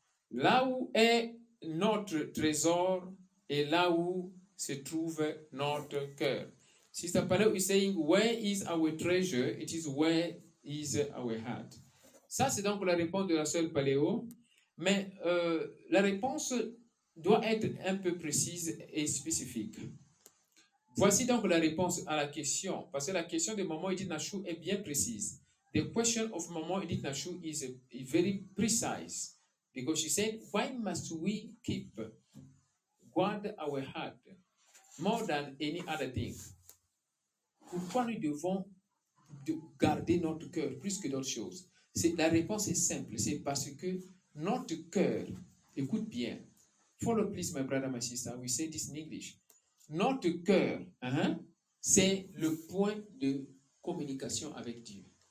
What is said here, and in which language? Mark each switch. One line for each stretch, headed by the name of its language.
French: Là où est notre trésor et là où se trouve notre cœur.
English: Sister Paleo is saying, where is our treasure? It is where is our heart.
French: Ça, c'est donc la réponse de la sœur Paleo. Mais la réponse doit être un peu précise et spécifique. Voici donc la réponse à la question. Parce que la question de Maman Edith Nashu est bien précise.
English: The question of Maman Edith Nashu is very precise. Because she said, why must we keep guard our heart more than any other thing?
French: Pourquoi nous devons garder notre cœur plus que d'autres choses? C'est, la réponse est simple. C'est parce que notre cœur, écoute bien,
English: follow please my brother, my sister, we say this in English.
French: Notre cœur, c'est le point de communication avec Dieu.